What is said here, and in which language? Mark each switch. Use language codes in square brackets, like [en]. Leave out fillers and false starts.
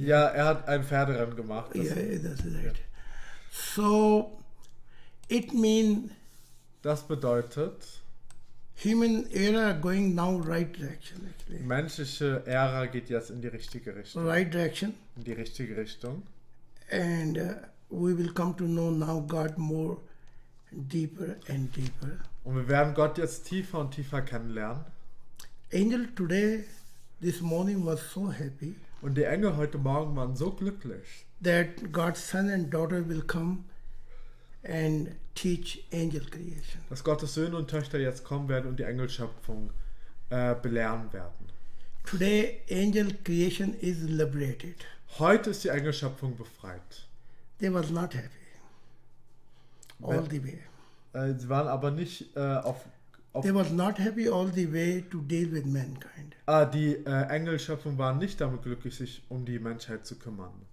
[de] Ja, er hat ein Pferderennen gemacht. Ja, das ist richtig. [en] So, it means. [de] Das bedeutet. [en] Human era going now right direction. Actually. [de] Menschliche Ära geht jetzt in die richtige Richtung. [en] Right direction. [de] In die richtige Richtung. [en] And we will come to know now God more deeper and deeper. [de] Und wir werden Gott jetzt tiefer und tiefer kennenlernen. [en] Angel today, this morning was so happy. [de] Und die Engel heute Morgen waren so glücklich. [en] That God's son and daughter will come and teach angel creation. [de] Dass Gottes Söhne und Töchter jetzt kommen werden und die Engelschöpfung belehren werden. [en] Today angel creation is liberated. [de] Heute ist die Engelschöpfung befreit. [en] They was not happy. All the way. [de] Sie waren aber nicht auf [en] They was not happy all the way to deal with mankind. [de] Die Engelschöpfung waren nicht damit glücklich, sich um die Menschheit zu kümmern.